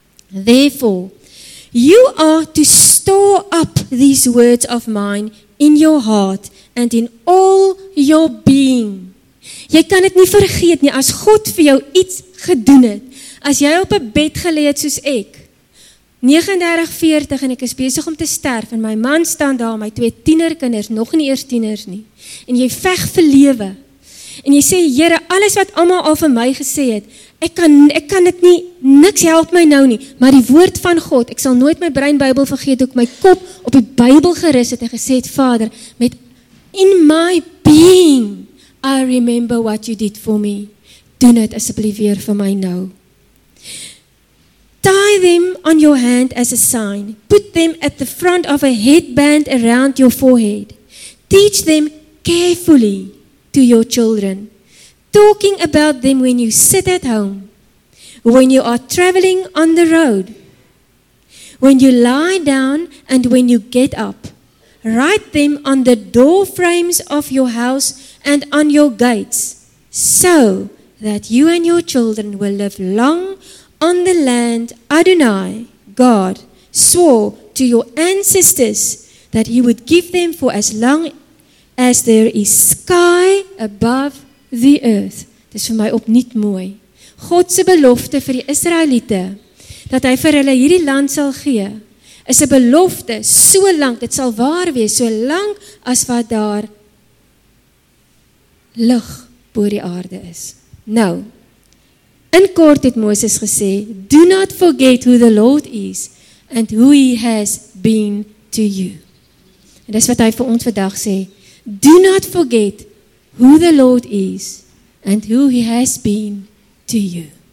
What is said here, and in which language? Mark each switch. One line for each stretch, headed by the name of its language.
English: Therefore, you are to store up these words of mine in your heart and in all your being.
Afrikaans: Jy kan dit nie vergeet nie, as God vir jou iets gedoen het, as jy op 'n bed gelê het soos ek, 39-40 en ek is besig om te sterf en my man staan daar, my twee tienerkinders, nog nie eers tieners nie, en jy veg vir lewe, en jy sê, Here, alles wat almal al vir my gesê het, ek kan dit nie, niks help my nou nie, maar die woord van God, ek sal nooit my brein Bybel vergeet, ek my kop op die Bybel gerus het en gesê het, Vader, met in my being,
English: I remember what you did for me.
Afrikaans: Doen het asseblief weer vir my nou.
English: Tie them on your hand as a sign. Put them at the front of a headband around your forehead. Teach them carefully to your children. Talking about them when you sit at home. When you are traveling on the road. When you lie down and when you get up. Write them on the door frames of your house and on your gates, so that you and your children will live long on the land Adonai, God, swore to your ancestors that he would give them for as long as there is sky above the earth.
Afrikaans: Dit is vir my opnuut mooi. God se belofte vir die Israeliete, dat hy vir hulle hierdie land sal gee, is 'n belofte so lank, dit sal waar wees, so lank as wat daar lig bo die aarde is. Nou, in kort het Moses gesê,
English: do not forget who the Lord is and who he has been to you.
Afrikaans: En dis wat hy vir ons vandag sê,
English: do not forget who the Lord is and who he has been to you.